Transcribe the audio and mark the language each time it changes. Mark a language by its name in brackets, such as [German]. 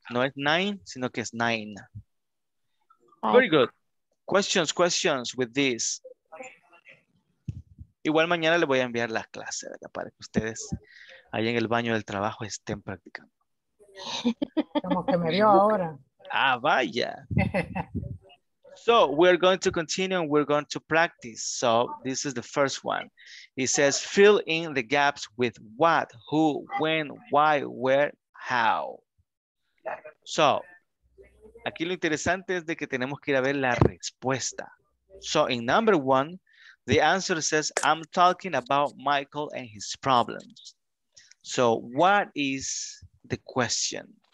[Spanish] No es nine, sino que es nine. [English] Very good. Questions, questions with this. [Spanish] Igual mañana le voy a enviar la clase, ¿verdad? Para que ustedes ahí en el baño del trabajo estén practicando. Como que me dio ahora. Ah, vaya. [English] So we're going to continue and we're going to practice. So this is the first one. It says fill in the gaps with what, who, when, why, where, how. [Spanish] So aquí lo interesante es de que tenemos que ir a ver la respuesta. [English] So in number one, the answer says I'm talking about Michael and his problems. So what is the question?